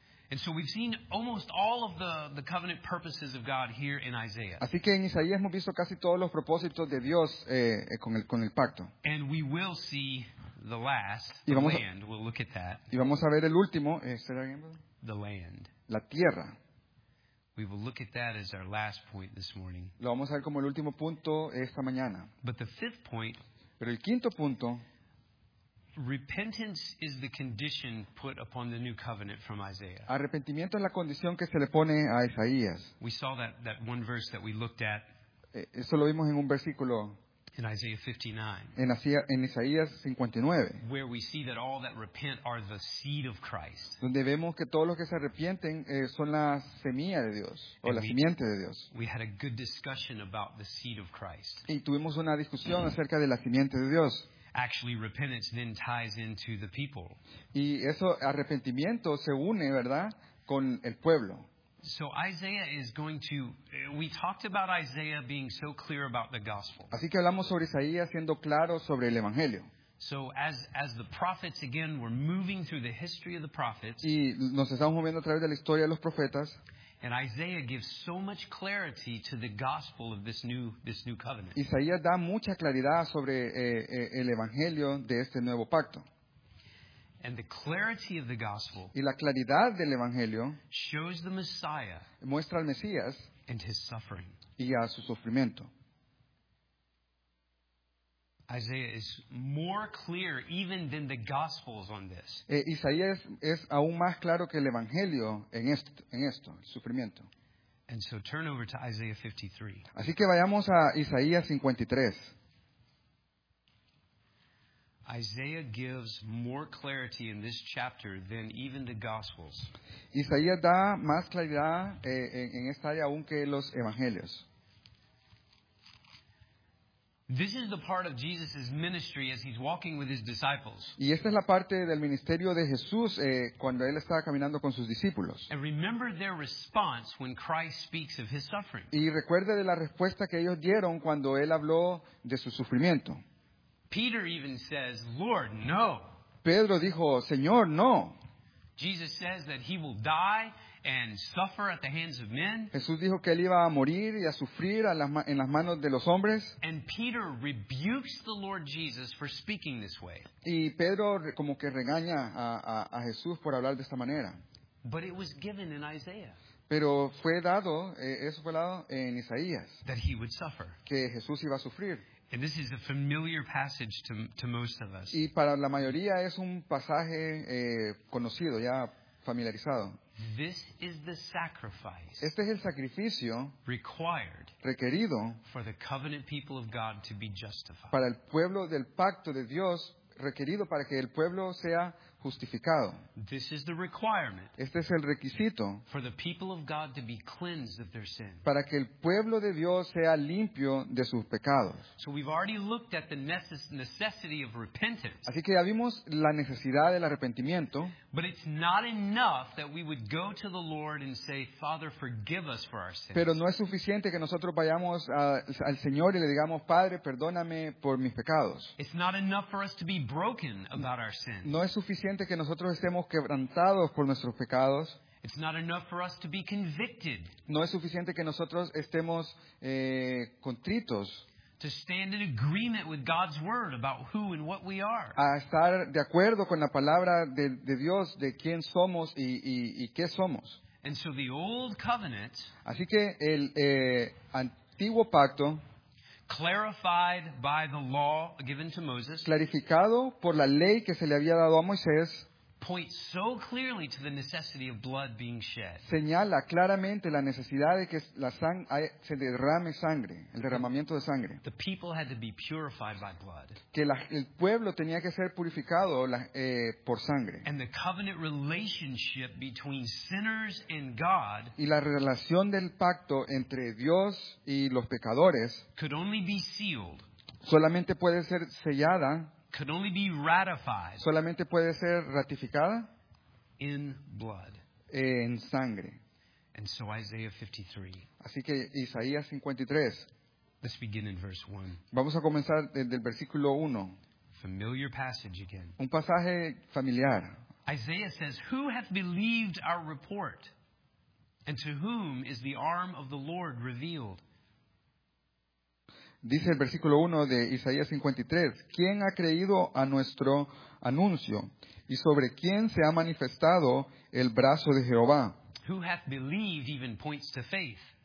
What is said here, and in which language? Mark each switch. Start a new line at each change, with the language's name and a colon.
English: And so we've seen almost all of the covenant purposes of God here in Isaiah.
Spanish: Así que en Isaías hemos visto casi todos los propósitos de Dios con el pacto.
English: And we will see the last, the land. We'll look at that.
Spanish: Y vamos a ver el último,
English: the land.
Spanish: La tierra.
English: We will look at that as our last point this morning.
Spanish: Lo vamos a ver como el último punto esta mañana.
English: But the fifth point.
Spanish: Pero el quinto punto.
English: Repentance is the condition put upon the new covenant from Isaiah.
Spanish: Arrepentimiento es la condición que se le pone a Isaías.
English: We saw that one verse that we looked at.
Spanish: Eso lo vimos en un versículo.
English: In Isaiah 59.
Spanish: En Isaías 59.
English: Where we see that all that repent are the seed of Christ.
Spanish: Donde vemos que todos los que se arrepienten son la semilla de Dios o la simiente de Dios.
English: We had a good discussion about the seed of Christ.
Spanish: Y tuvimos una discusión acerca de la simiente de Dios.
English: Actually, repentance then ties into the people.
Spanish: Y eso, arrepentimiento se une, ¿verdad?, con el pueblo.
English: So Isaiah is going to. We talked about Isaiah being so clear about the gospel.
Spanish: Así que hablamos sobre Isaías siendo claro sobre el evangelio.
English: So as the prophets again, we're moving through the history of the prophets.
Spanish: Y nos estamos moviendo a través de la historia de los profetas.
English: And Isaiah gives so much clarity to the gospel of this new covenant.
Spanish: Isaías da mucha claridad sobre el evangelio de este nuevo pacto.
English: And the clarity of the gospel.
Spanish: Y la claridad del evangelio
English: shows the Messiah.
Spanish: Muestra al Mesías.
English: And his suffering.
Spanish: Y a su sufrimiento.
English: Isaiah is more clear even than the Gospels on this.
Spanish: Isaías es aún más claro que el Evangelio en esto, el sufrimiento.
English: And so turn over to Isaiah 53.
Spanish: Así que vayamos a Isaías 53.
English: Isaiah gives more clarity in this chapter than even the Gospels.
Spanish: Isaías da más claridad en esta área aún que los Evangelios.
English: This is the part of Jesus' ministry as he's walking with his disciples.
Spanish: Y esta es la parte del ministerio de Jesús cuando él estaba caminando con sus discípulos.
English: And remember their response when Christ speaks of his suffering.
Spanish: Y recuerde de la respuesta que ellos dieron cuando él habló de su sufrimiento.
English: Peter even says, "Lord, no."
Spanish: Pedro dijo, "Señor, no."
English: Jesus says that he will die and suffer at the hands of men.
Spanish: Jesús dijo que él iba a morir y a sufrir en las manos de los hombres.
English: And Peter rebukes the Lord Jesus for speaking this way.
Spanish: Y Pedro como que regaña a Jesús por hablar de esta manera.
English: But it was given in Isaiah.
Spanish: Pero fue dado, eso fue dado en Isaías.
English: That he would suffer.
Spanish: Que Jesús iba a sufrir.
English: And this is a familiar passage to most of us.
Spanish: Y para la mayoría es un pasaje conocido, ya familiarizado.
English: This is the sacrifice.
Spanish: Este es el sacrificio
English: required.
Spanish: Requerido
English: for the covenant people of God to be justified.
Spanish: Para el pueblo del pacto de Dios, requerido para que el pueblo sea justificado.
English: This is the requirement.
Spanish: Este es el requisito
English: for the people of God to be cleansed of their sin.
Spanish: Para que el pueblo de Dios sea limpio de sus pecados.
English: So we've already looked at the necessity of repentance.
Spanish: Así que ya vimos la necesidad del arrepentimiento.
English: But it's not enough that we would go to the Lord and say, "Father, forgive us for our sins."
Spanish: Pero no es suficiente que nosotros vayamos al Señor y le digamos, "Padre, perdóname por mis pecados."
English: It's not enough for us to be broken about our sins.
Spanish: No es suficiente que nosotros estemos quebrantados por nuestros pecados.
English: It's not enough for us to be convicted.
Spanish: No es suficiente que nosotros estemos contritos.
English: To stand in agreement with God's word about who and what we are.
Spanish: A estar de acuerdo con la palabra de Dios de quién somos y qué somos.
English: And so the old covenant.
Spanish: Así que el antiguo pacto.
English: Clarified by the law given to Moses.
Spanish: Clarificado por la ley que se le había dado a Moisés.
English: points so clearly to the necessity of blood being shed.
Spanish: Señala claramente la necesidad de que la sangre se derrame sangre, el derramamiento de sangre.
English: The people had to be purified by blood.
Spanish: Que el pueblo tenía que ser purificado por sangre.
English: And the covenant relationship between sinners and God.
Spanish: Y la relación del pacto entre Dios y los pecadores.
English: Could only be sealed.
Spanish: Solamente puede ser sellada.
English: Could only be ratified.
Spanish: Solamente puede ser ratificada.
English: In blood.
Spanish: En sangre.
English: And so Isaiah 53.
Spanish: Así que Isaías 53.
English: Let's begin in verse 1.
Spanish: Vamos a comenzar desde el versículo 1.
English: Familiar passage again.
Spanish: Un pasaje familiar.
English: Isaiah says, "Who hath believed our report? And to whom is the arm of the Lord revealed?"
Spanish: Dice el versículo 1 de Isaías 53, ¿quién ha creído a nuestro anuncio? ¿Y sobre quién se ha manifestado el brazo de Jehová?
English: Who hath believed even points to faith.